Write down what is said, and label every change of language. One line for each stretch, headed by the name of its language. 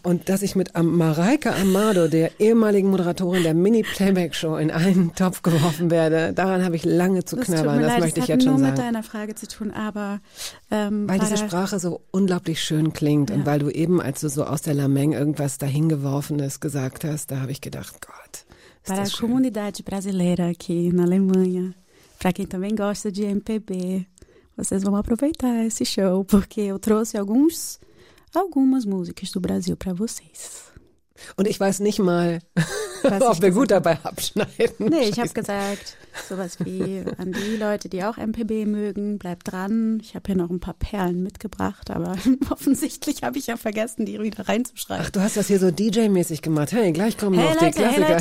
German: Und dass ich mit Mareike Amado, der ehemaligen Moderatorin der Mini-Playback-Show, in einen Topf geworfen werde, daran habe ich lange zu knabbern. Das möchte ich jetzt schon sagen. Das hat nur mit deiner Frage zu tun, aber weil diese Sprache so unglaublich schön klingt und weil du eben, als du so aus der Lameng irgendwas dahingeworfenes gesagt hast, da habe ich gedacht, Gott, ist das schön.
Portuguese: Para a comunidade brasileira aqui na Alemanha, para quem também gosta de MPB, vocês vão aproveitar esse show, porque eu trouxe algumas músicas do Brasil para vocês.
German: Und ich weiß nicht mal, ob wir gut dabei abschneiden. Nee, ich habe gesagt, sowas wie an die Leute, die auch MPB mögen, bleibt dran. Ich habe hier noch ein paar Perlen mitgebracht, aber offensichtlich habe ich ja vergessen, die wieder reinzuschreiben. Ach, du hast das hier so DJ-mäßig gemacht. Hey, gleich kommen noch die Klassiker.